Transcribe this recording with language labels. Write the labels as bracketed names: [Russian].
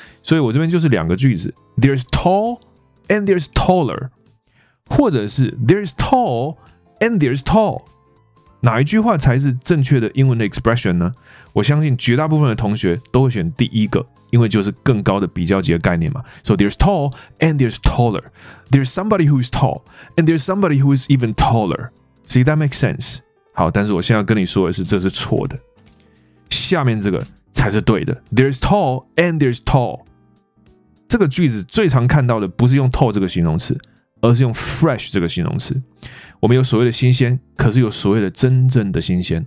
[Chinese] 所以我这边就是两个句子 [English] ：There's tall and there's taller， [Chinese] 或者是 [English] There's tall and there's tall。 [Chinese] 哪一句话才是正确的英文的 expression 呢？我相信绝大部分的同学都会选第一个，因为就是更高的比较级的概念嘛。 [English] So there's tall and there's taller. There's somebody who is tall and there's somebody who is even taller. See that makes sense? [Chinese] 好，但是我现在要跟你说的是，这是错的。下面这个才是对的。 [English] There's tall and there's tall. [Chinese] 这个句子最常看到的不是用 tall 这个形容词，而是用 fresh 这个形容词。我们有所谓的新鲜，可是有所谓的真正的新鲜。